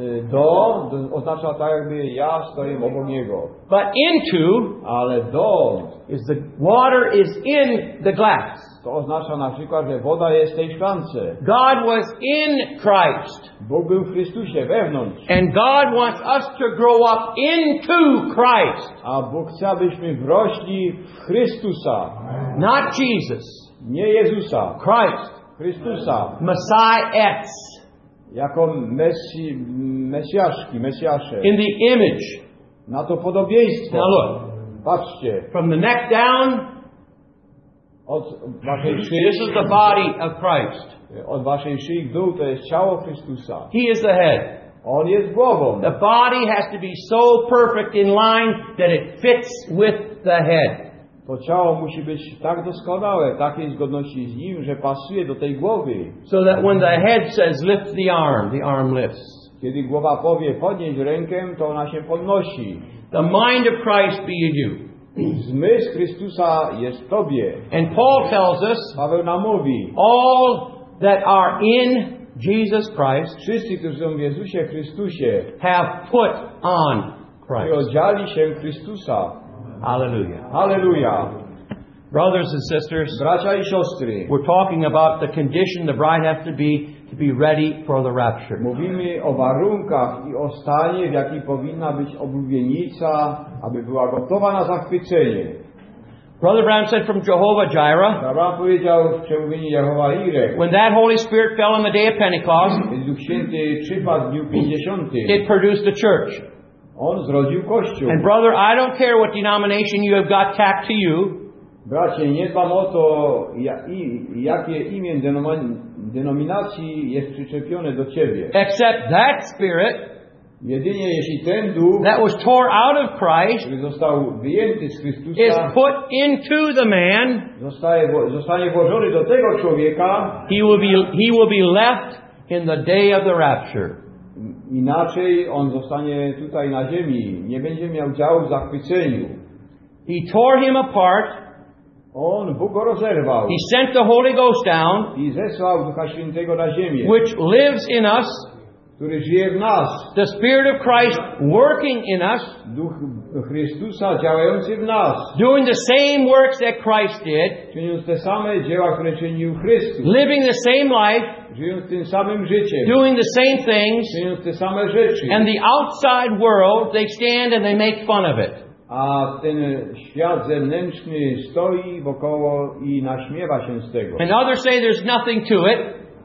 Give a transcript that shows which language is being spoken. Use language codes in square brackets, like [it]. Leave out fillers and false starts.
[pl] Do oznacza tak, jakby ja stoję obok niego. [en] But into, [pl] ale do, [en] is the water is in the glass. [pl] To oznacza na przykład, że woda jest w tej szklance. [en] God was in Christ. [pl] Bóg był w Chrystusie wewnątrz. [en] And God wants us to grow up into Christ. [pl] A Bóg chce, abyśmy wrośli w Chrystusa. [en] Not Jesus. [pl] Nie Jezusa. [en] Christ. [pl] Chrystusa. [en] Messiah. [pl] Jako mesjaszki, mesjasze. [en] In the image. [pl] Na to podobieństwo. [en] Now look. [pl] Patrzcie. [en] From the neck down. [pl] Od waszej szyi. [en] This is the body of Christ. [pl] Od waszej szyi w dół, to jest ciało Chrystusa. [en] He is the head. [pl] On jest głową. [en] The body has to be so perfect in line that it fits with the head. [pl] To ciało musi być tak doskonałe, takiej zgodności z nim, że pasuje do tej głowy. [en] So that when the head says lift the arm lifts. [pl] Kiedy głowa powie podnieść rękę, to ona się podnosi. [en] The mind of Christ be in you. [pl] Zmysł Chrystusa jest w tobie. [en] And Paul tells us, [pl] Paweł nam mówi, [en] all that are in Jesus Christ, [pl] wszyscy, którzy są w Jezusie Chrystusie, [en] have put on Christ. [pl] Przyodziali się Chrystusa. [en] Hallelujah. [pl] Hallelujah. [en] Brothers and sisters, [pl] bracia i siostry, [en] we're talking about the condition the bride has to be ready for the rapture. [pl] Mówimy o warunkach i o stanie, w jakiej powinna być oblubienica, aby była gotowa na zachwycenie. [en] Brother Brown said from Jehovah Jireh, [pl] Abraham powiedział w przemówieniu Jehovah Jireh, [en] when that Holy Spirit fell on the day of Pentecost, [pl] kiedy Duch Święty przypadł w dniu 50, [en] it produced a church. [pl] On zrodził Kościół. [en] And brother, I don't care what denomination you have got tacked to you. [pl] Bracie, nie dbam o to, jakie imię denominacji jest przyczepione do ciebie. [en] Except that spirit, [pl] jedynie jeśli ten duch, [en] that was tore out of Christ, [pl] który został wyjęty z Chrystusa, [en] is put into the man, [pl] zostanie włożony do tego człowieka, [en] he will be left in the day of the rapture. [pl] Inaczej on zostanie tutaj na ziemi, nie będzie miał działu w zachwyceniu. [en] He tore him apart. [pl] On Bóg go rozerwał. [en] He sent the Holy Ghost down. [pl] I zesłał Ducha Świętego na ziemię. [en] Which lives in us. [pl] Który żyje w nas. [en] The Spirit of Christ working in us. [pl] Duch Chrystusa działający w nas. [en] Doing the same works that Christ did. [pl] Czyniąc te same dzieła, które czynił Chrystus. [en] Living the same life. [pl] Żyjąc tym samym życiem. [en] Doing the same things. [pl] Czyniąc te same rzeczy. [en] And the outside world, they stand and they make fun of it. [pl] A ten świat zewnętrzny stoi wokoło i naśmiewa się z tego. [en] And others say there's nothing to it.